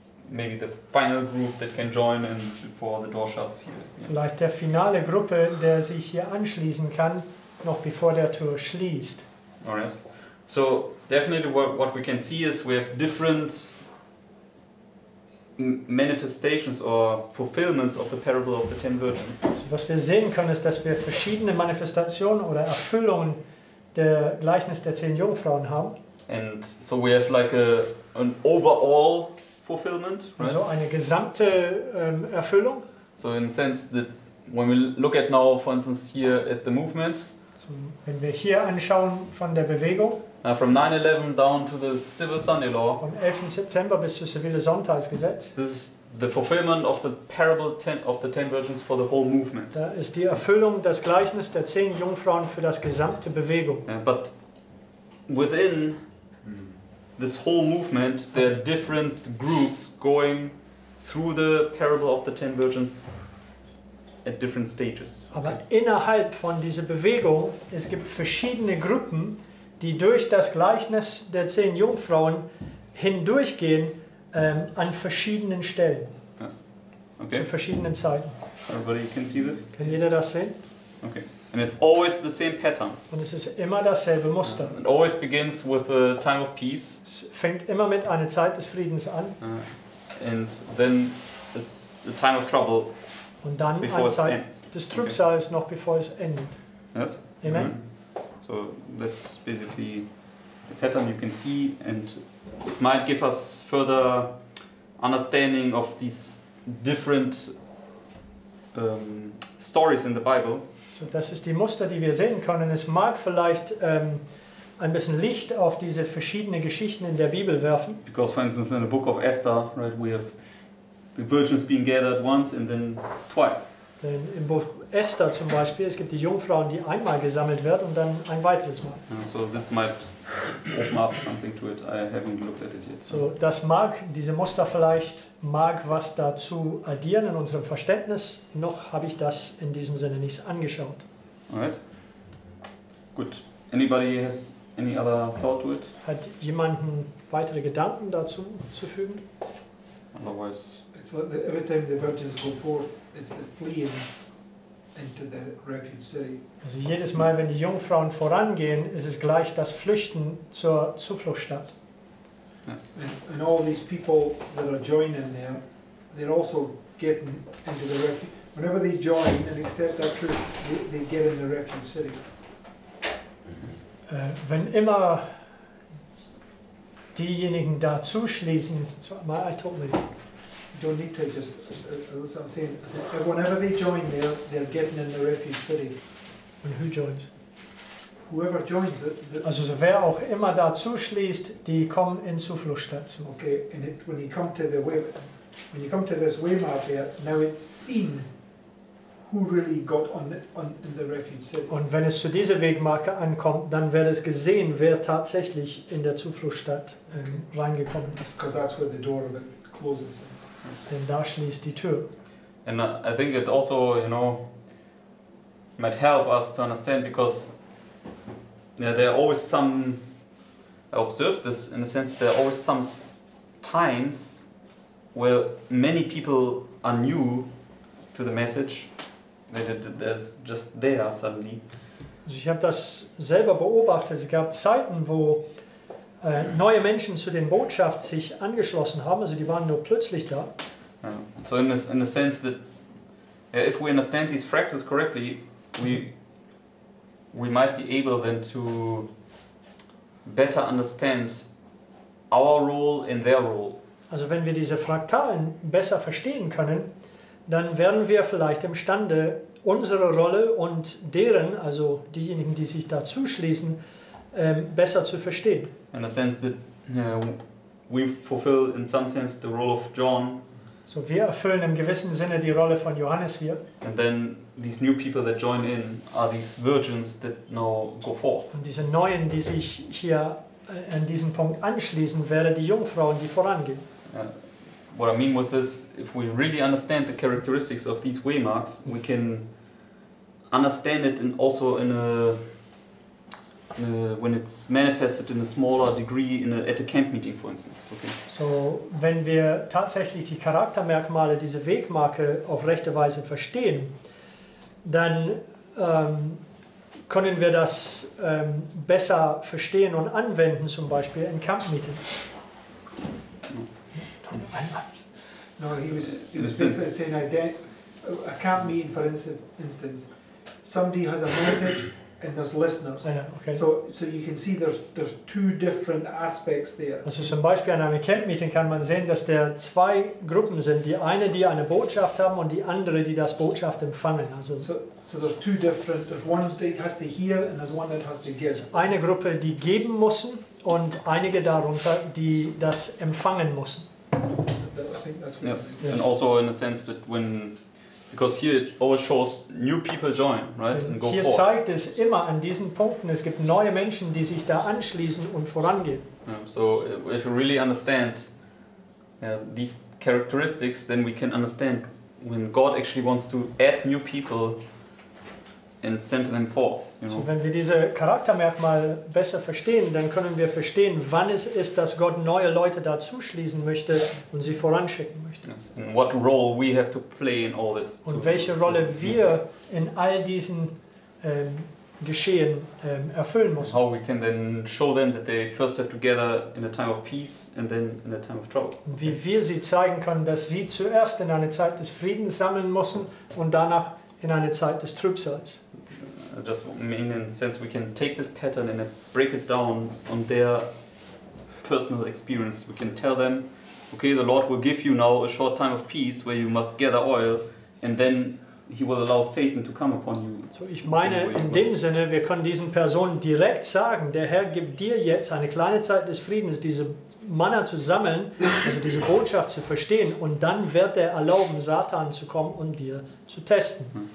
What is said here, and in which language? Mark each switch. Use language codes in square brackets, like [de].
[en] Maybe the final group that can join and before the door shuts here. [de] Vielleicht der finale Gruppe, der sich hier anschließen kann, noch bevor der Tür schließt. [en] Alright. So definitely what we can see is we have different manifestations or fulfillments of the parable of the ten virgins. [de] So was wir sehen können ist, dass wir verschiedene Manifestationen oder Erfüllungen der Gleichnis der zehn Jungfrauen haben. [en] And so we have like an overall fulfillment. Right? [de] Also eine gesamte Erfüllung. [en] So in a sense that when we look at now, for instance, here at the movement. [de] So wenn wir hier anschauen von der Bewegung. [en] From 9/11 down to the Civil Sunday Law. [de] Vom 11. September bis zum Zivile Sonntagsgesetz. [en] This is the fulfillment of the parable of the ten virgins for the whole movement. [de] Da ist die Erfüllung des Gleichnis der zehn Jungfrauen für das gesamte Bewegung. [en] Yeah, but within this whole movement, there are different groups going through the parable of the ten virgins at different stages. [de] Aber innerhalb von dieser Bewegung, es gibt verschiedene Gruppen, die durch das Gleichnis der zehn Jungfrauen hindurchgehen an verschiedenen Stellen. [en] Yes. Okay. [de] Zu verschiedenen Zeiten. [en] Everybody can see this? [de] Kann jeder das sehen? [en] Okay. And it's always the same pattern. [de] Und es ist immer dasselbe Muster. [en] It always begins with a time of peace. [de] Es fängt immer mit einer Zeit des Friedens an. [en] And then it's the time of trouble. [de] Und dann eine Zeit des Trübsals noch bevor es endet. [en] Yes. Amen. Mm-hmm. So that's basically the pattern you can see, and it might give us further understanding of these different stories in the Bible. [de] So das ist die Muster, die wir sehen können. Es mag vielleicht ein bisschen Licht auf diese verschiedenen Geschichten in der Bibel werfen. [en] Because, for instance, in the book of Esther, right, we have the virgins being gathered once and then twice. [de] Denn im Buch Esther zum Beispiel, es gibt die Jungfrauen, die einmal gesammelt wird und dann ein weiteres Mal. [en] So this might open up something to it. I haven't looked at it yet. [de] So das mag, diese Muster vielleicht, mag was dazu addieren in unserem Verständnis. Noch habe ich das in diesem Sinne nicht angeschaut. [en] Alright. Good. Anybody has any other thought to it? [de] Hat jemanden weitere Gedanken dazu zu fügen? [en] Otherwise... It's like the, every time the virgins go forth, it's the fleeing into the refuge city. [de] Also jedes Mal, wenn die Jungfrauen vorangehen, ist es gleich das Flüchten zur Zufluchtsstadt. [en] Yes. And all these people that are joining there, they're also getting into the refuge. Whenever they join and accept that truth, they get in the refuge city. Yes. [de] Wenn immer diejenigen dazu schließen, so mal [en] I told me. Don't need to just. That's what I'm saying. I said, whenever they join there, they're getting in the refuge city. And who joins? Whoever joins. [de] Also, so wer auch immer dazu schließt, die kommen in Zufluchtsstadt. [en] Okay. And it, when you come to the way, when you come to this waymark there, now it's seen who really got in the refuge city. [de] Und wenn es zu dieser Wegmarke ankommt, dann wird es gesehen, wer tatsächlich in der Zufluchtsstadt reingekommen ist. [en] Because that's where the door of it closes. [de] Denn da schließt die Tür. [en] And I think it also, you know, might help us to understand because yeah, there are always some, I observed this in a sense, there are always some times where many people are new to the message, that they're just there suddenly. [de] Also ich habe das selber beobachtet, es gab Zeiten, wo neue Menschen zu den Botschaft sich angeschlossen haben, also die waren nur plötzlich da. [en] So in the sense that if we understand these fractals correctly, we might be able then to better understand our role in their role. [de] Also wenn wir diese Fraktalen besser verstehen können, dann werden wir vielleicht imstande, unsere Rolle und deren, also diejenigen, die sich dazu schließen, besser zu verstehen. [en] In a sense that we fulfill in some sense the role of John. [de] So wir erfüllen im gewissen Sinne die Rolle von Johannes hier. [en] And then these new people that join in are these virgins that now go forth. [de] Und diese neuen, die sich hier an diesem Punkt anschließen, werden die Jungfrauen, die vorangehen. [en] What I mean with this, if we really understand the characteristics of these waymarks, we can understand it and also in a when it's manifested in a smaller degree in a, at a camp meeting, for instance. Okay. [de] So, wenn wir tatsächlich die Charaktermerkmale dieser Wegmarke auf rechte Weise verstehen, dann können wir das besser verstehen und anwenden, zum Beispiel in Camp Meetings. Ja. Einmal. [en] No, he was saying, I can't mean, for instance, somebody has a message and there's listeners. Okay. So you can see there's two different aspects there. [de] Also zum Beispiel an einem Camp-Meeting kann man sehen, dass da zwei Gruppen sind. Die eine, die eine Botschaft haben und die andere, die das Botschaft empfangen. Also [en] so there's two different, there's one that has to hear and there's one that has to give. [de] Eine Gruppe, die geben müssen und einige darunter, die das empfangen müssen. [en] Yes, and also in a sense that when, because here it always shows new people join, right, and go forward. [de] Hier zeigt es immer an diesen Punkten, es gibt neue Menschen, die sich da anschließen und vorangehen. [en] Yeah, so if we really understand these characteristics, then we can understand when God actually wants to add new people and send them forth. You know? [de] So wenn wir diese Charaktermerkmale besser verstehen, dann können wir verstehen, wann es ist, dass Gott neue Leute dazu schließen möchte und sie voranschicken möchte. [en] Yes. And what role we have to play in all this? [de] Und welche Rolle wir in all diesen Geschehen erfüllen müssen. [en] How we can then show them that they first have to gather in a time of peace and then in a time of trouble. [de] Und wie wir sie zeigen können, dass sie zuerst in eine Zeit des Friedens sammeln müssen und danach in eine Zeit des Trübsals. [en] Just mean in sense we can take this pattern and break it down on their personal experience. We can tell them, okay, the Lord will give you now a short time of peace where you must gather oil and then he will allow Satan to come upon you. [de] So ich meine in dem Sinne, wir können diesen Personen direkt sagen, der Herr gibt dir jetzt eine kleine Zeit des Friedens, diese Manna zu sammeln, also diese Botschaft zu verstehen, und dann wird er erlauben, Satan zu kommen und dir zu testen.